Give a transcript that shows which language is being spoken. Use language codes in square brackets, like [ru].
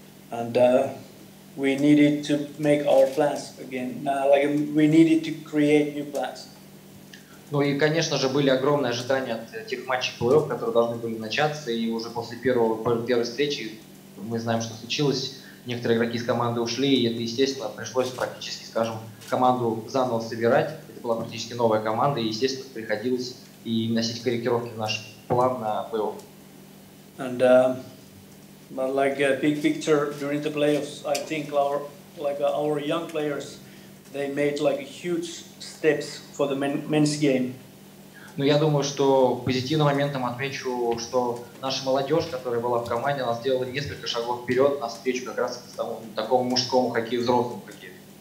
[en] And we needed to make our plans again. We needed to create new plans. [ru] Ну и, конечно же, были огромные ожидания от тех матчей плей-офф, которые должны были начаться. И уже после первой встречи мы знаем, что случилось. Некоторые игроки из команды ушли, и это, естественно, пришлось практически, скажем, команду заново собирать. Это была практически новая команда, и, естественно, приходилось и вносить корректировки в наш план на плей-офф. [en] But like a big picture during the playoffs, I think our young players, they made like huge steps for the men's game. [ru] Но я думаю, что позитивным моментом отмечу, что наша молодежь, которая была в команде, она сделала несколько шагов вперед на встречу как раз к такому мужскому хоккею, взрослому хоккею.